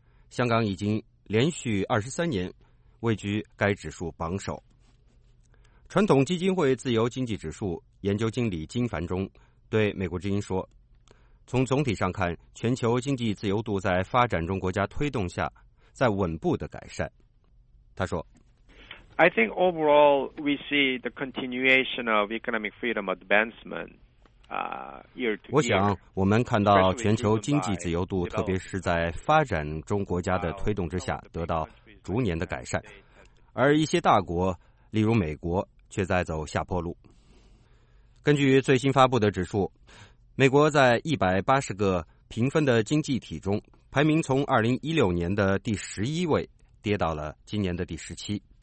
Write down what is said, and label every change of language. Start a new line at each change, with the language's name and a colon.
Chinese: 香港已经连续23年位居该指数榜首。传统基金会自由经济指数研究经理金凡中对美国之音说，从总体上看，全球经济自由度在发展中国家推动下在稳步的改善。他说，
English: I think overall we see the continuation of economic freedom advancement year to year。
Chinese: 我想我们看到全球经济自由度特别是在发展中国家的推动之下得到逐年的改善，而一些大国例如美国却在走下坡路。根据最新发布的指数，美国在180个评分的经济体中，排名从2016年的第11位跌到了今年的第17。